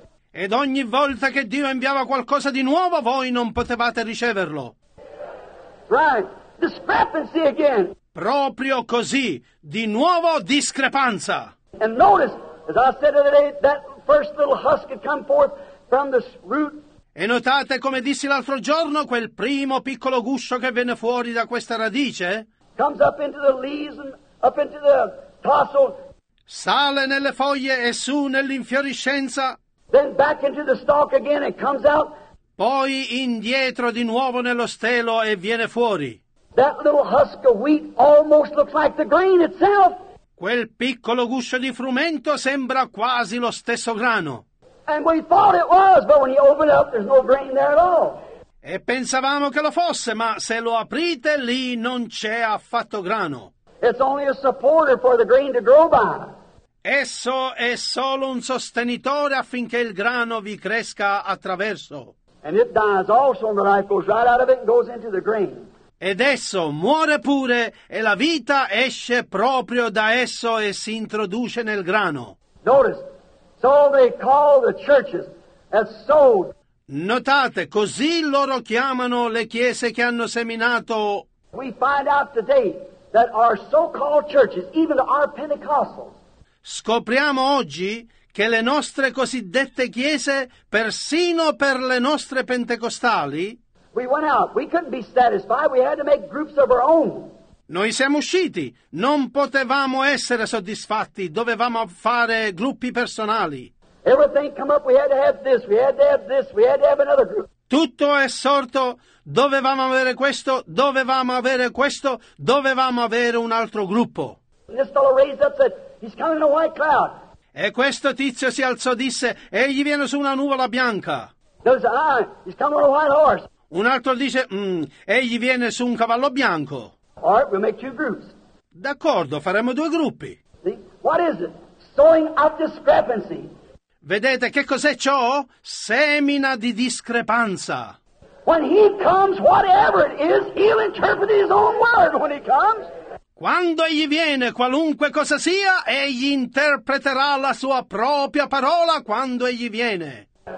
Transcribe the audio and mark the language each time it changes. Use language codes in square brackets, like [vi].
[it] Ed ogni volta che Dio inviava qualcosa di nuovo, voi non potevate riceverlo. [en] Right. Discrepancy again. [it] Proprio così, di nuovo discrepanza. [en] And notice, as I said the other day, that first little husk had come forth from this root. [it] E notate come dissi l'altro giorno, quel primo piccolo guscio che venne fuori da questa radice. [en] Comes up into the leaves and up into the tassel. [it] Sale nelle foglie e su nell'infiorescenza. [en] Then back into the stalk again and comes out. [it] Poi indietro di nuovo nello stelo e viene fuori. [en] That little husk of wheat almost looks like the grain itself. [it] Quel piccolo guscio di frumento sembra quasi lo stesso grano. [en] And we thought it was, but when you open it up, there's no grain there at all. [it] E pensavamo che lo fosse, ma se lo aprite, lì non c'è affatto grano. [en] It's only a supporter for the grain to grow by. [it] Esso è solo un sostenitore affinché il grano vi cresca attraverso. [en] And it dies also, and the life goes right out of it and goes into the grain. [it] Ed esso muore pure e la vita esce proprio da esso e si introduce nel grano. [en] Notice, so they call the churches as sowed. [it] Notate, così loro chiamano le chiese che hanno seminato. [en] We find out today that our so-called churches, even our Pentecostals. [it] Scopriamo oggi che le nostre cosiddette chiese, persino per le nostre pentecostali, [en] we went out. We couldn't be satisfied. We had to make groups of our own. [it] Noi siamo usciti. Non potevamo essere soddisfatti. Dovevamo fare gruppi personali. [en] Everything come up. We had to have this. We had to have this. We had to have another group. [it] Tutto è sorto. Dovevamo avere questo. Dovevamo avere questo. Dovevamo avere un altro gruppo. [en] This fellow raised up, said, he's coming in a white cloud. [it] E questo tizio si alzò, disse, egli viene su una nuvola bianca. [en] Does, he's coming on a white horse. [it] Un altro dice, egli viene su un cavallo bianco. [en] All right, we'll make two groups. [it] D'accordo, faremo due gruppi. [en] See, what is it? Sowing of discrepancy. [it] Vedete, che cos'è ciò? Semina di discrepanza. [en] When he comes, whatever it is, he'll interpret his own word when he comes. [it] Quando egli viene, qualunque cosa sia, egli interpreterà la sua propria parola quando egli viene.